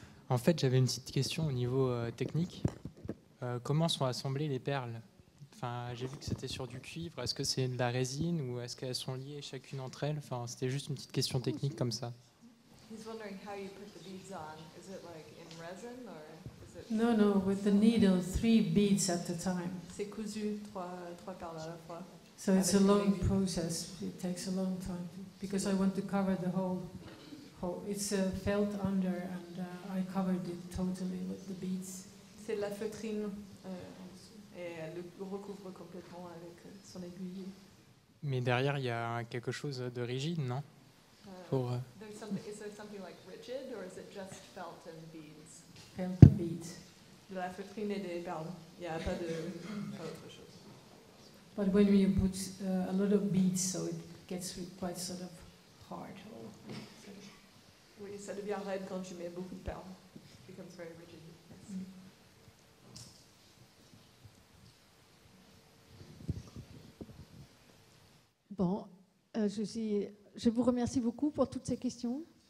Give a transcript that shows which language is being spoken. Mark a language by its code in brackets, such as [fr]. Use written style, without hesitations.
[fr] En fait, j'avais une petite question au niveau technique. Comment sont assemblées les perles ? Enfin, j'ai vu que c'était sur du cuivre. Est-ce que c'est de la résine ou est-ce qu'elles sont liées chacune entre elles ? Enfin, c'était juste une petite question technique comme ça. [en] He's wondering how you put the beads on. Is it like in resin or is it... No, no, with the needle, three beads at a time. [fr] C'est cousu trois perles à la fois. [en] So it's a long process. It takes a long time because I want to cover the whole. It's a felt under and I covered it totally with the beads. [fr] C'est la feutrine et elle le recouvre complètement avec son aiguille. Mais derrière il y a quelque chose de rigide, non? [en] Pour there's something, is there something like rigid or is it just felt and beads? Felt and beads. [fr] De la feutrine et des perles. Il y a pas de pas autre chose. [en] But when you put a lot of beads, so it gets quite sort of hard. [fr] Oui, ça devient raide quand tu mets beaucoup de perles. [en] It becomes very rigid. Yes. [fr] Bon, je vous remercie beaucoup pour toutes ces questions.